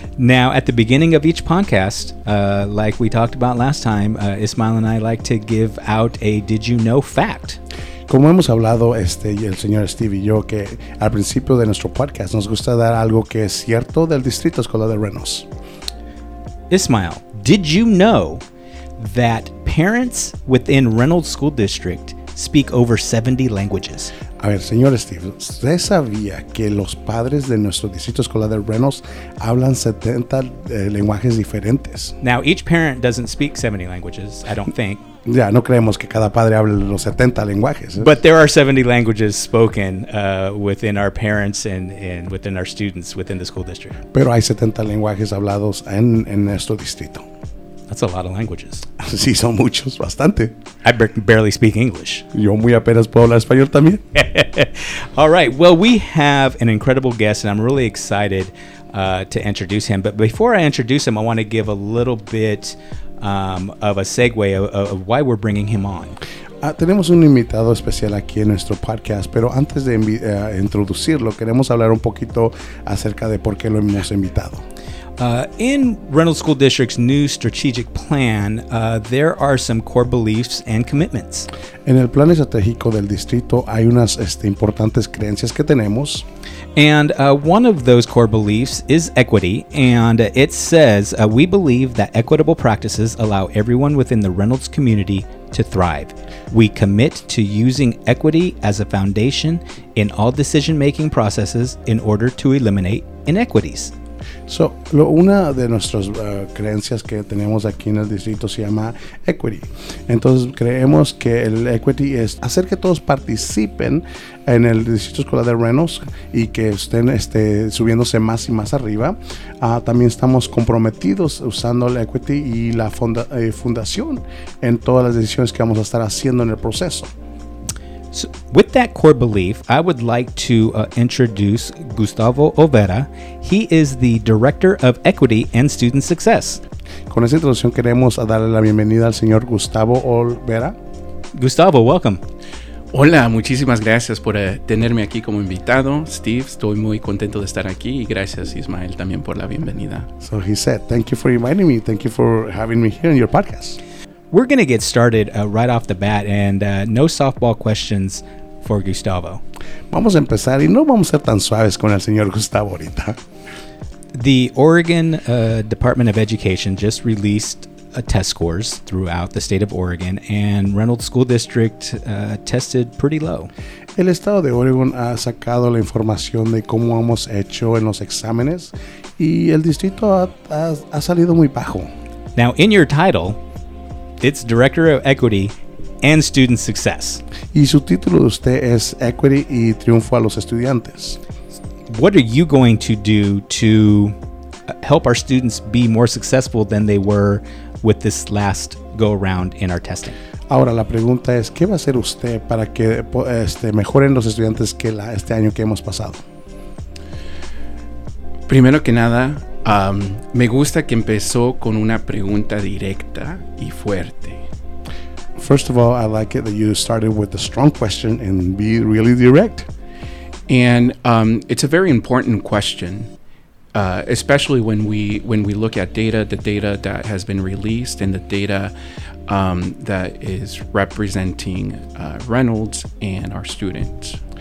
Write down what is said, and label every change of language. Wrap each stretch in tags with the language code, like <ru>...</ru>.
<en>Now, at the beginning of each podcast, like we talked about last time, Ismael and I like to give out a did you know fact.</en> <es>Como hemos hablado, el señor Steve y yo, que al principio de nuestro podcast nos gusta dar algo que es cierto del distrito escolar de Reynolds.</es> <en>Ismael, did you know that parents within Reynolds School District speak over 70 languages?</en> <es>A ver, señor Steve, ¿usted sabía que los padres de nuestro distrito escolar de Reynolds hablan 70 lenguajes diferentes?</es> <en>Now, each parent doesn't speak 70 languages, I don't think.</en> <es>Ya, no creemos que cada padre hable los 70 lenguajes. ¿Eh?</es> <en>But there are 70 languages spoken within our parents and within our students within the school district.</en> <es>Pero hay 70 lenguajes hablados en nuestro distrito.</es> <en>That's a lot of languages.</en> <es>Sí, son muchos, bastante.</es> <en>I barely speak English.</en> <es>Yo muy apenas puedo hablar español también.</es> <en>All right. Well, we have an incredible guest, and I'm really excited to introduce him. But before I introduce him, I want to give a little bit of a segue of why we're bringing him on.</en> <es>Tenemos un invitado especial aquí en nuestro podcast, pero antes de introducirlo, queremos hablar un poquito acerca de por qué lo hemos invitado.</es> <en>In Reynolds School District's new strategic plan, there are some core beliefs and commitments.</en> <es>En el plan estratégico del distrito hay unas importantes creencias que tenemos.</es> <en>And one of those core beliefs is equity, and it says we believe that equitable practices allow everyone within the Reynolds community to thrive. We commit to using equity as a foundation in all decision-making processes in order to eliminate inequities.</en> <es>So, una de nuestras creencias que tenemos aquí en el distrito se llama equity. Entonces, creemos que el equity es hacer que todos participen en el distrito escolar de Reynolds y que estén subiéndose más y más arriba. También estamos comprometidos usando el equity y la fundación en todas las decisiones que vamos a estar haciendo en el proceso.</es> <en>So, with that core belief, I would like to introduce Gustavo Olvera. He is the Director of Equity and Student Success.</en> <es>Con esa introducción queremos darle la bienvenida al señor Gustavo Olvera.</es> <en>Gustavo, welcome.</en> <es>Hola, muchísimas gracias por tenerme aquí como invitado. Steve, estoy muy contento de estar aquí y gracias Ismael también por la bienvenida.</es> <en>So he said, thank you for inviting me. Thank you for having me here in your podcast. We're going to get started right off the bat, and no softball questions for Gustavo.</en> <es>Vamos a empezar y no vamos a ser tan suaves con el señor Gustavo ahorita.</es> <en>The Oregon Department of Education just released test scores throughout the state of Oregon, and Reynolds School District tested pretty low.</en> <es>El estado de Oregon ha sacado la información de cómo hemos hecho en los exámenes, y el distrito ha salido muy bajo.</es> <en>Now, in your title, it's Director of Equity and Student Success.</en> <es>Y su título de usted es Equity y Triunfo a los Estudiantes.</es> <en>What are you going to do to help our students be more successful than they were with this last go around in our testing?</en> <es>Ahora la pregunta es, ¿qué va a hacer usted para que mejoren los estudiantes que este año que hemos pasado? Primero que nada, me gusta que empezó con una pregunta directa y fuerte.</es> <en>First of all, I like it that you started with a strong question and be really direct. And it's a very important question, especially when we look at data, the data that has been released and the data that is representing Reynolds and our students.</en>